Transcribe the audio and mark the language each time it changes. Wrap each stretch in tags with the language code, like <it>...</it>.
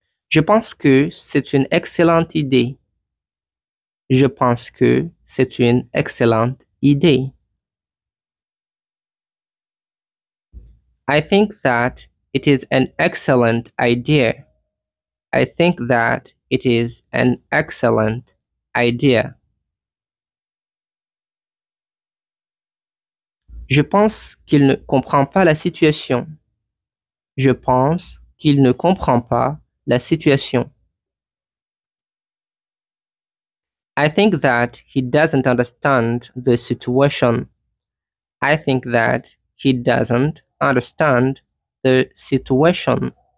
<fr>Je pense que c'est une excellente idée. Je pense que c'est une excellente idée. Idée.</fr> <en>I think that it is an excellent idea. I think that it is an excellent idea.</en> <fr>Je pense qu'il ne comprend pas la situation. Je pense qu'il ne comprend pas la situation.</fr> <en>I think that he doesn't understand the situation. I think that he doesn't understand the situation.</en>